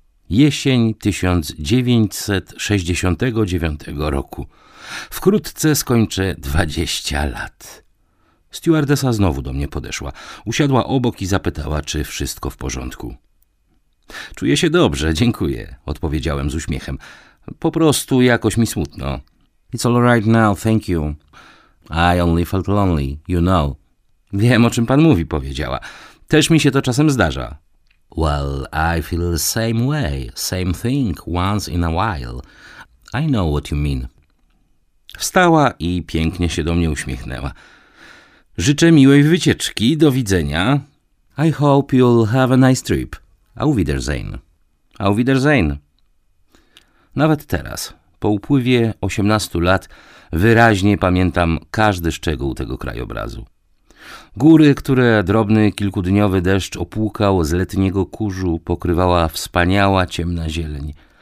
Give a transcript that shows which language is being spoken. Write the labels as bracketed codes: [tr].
[pl] Jesień 1969 roku. Wkrótce skończę 20 lat. Stewardesa znowu do mnie podeszła. Usiadła obok i zapytała, czy wszystko w porządku. Czuję się dobrze, dziękuję, odpowiedziałem z uśmiechem. Po prostu jakoś mi smutno. [en] It's all right now, thank you. I only felt lonely, you know. [pl] Wiem, o czym pan mówi, powiedziała. Też mi się to czasem zdarza. [en] Well, I feel the same way, same thing, once in a while. I know what you mean. [pl] Wstała i pięknie się do mnie uśmiechnęła. Życzę miłej wycieczki, do widzenia. [en] I hope you'll have a nice trip. [de] Auf Wiedersehen. Auf Wiedersehen. [pl] Nawet teraz, po upływie 18 lat, wyraźnie pamiętam każdy szczegół tego krajobrazu. Góry, które drobny kilkudniowy deszcz opłukał z letniego kurzu, pokrywała wspaniała ciemna zieleń.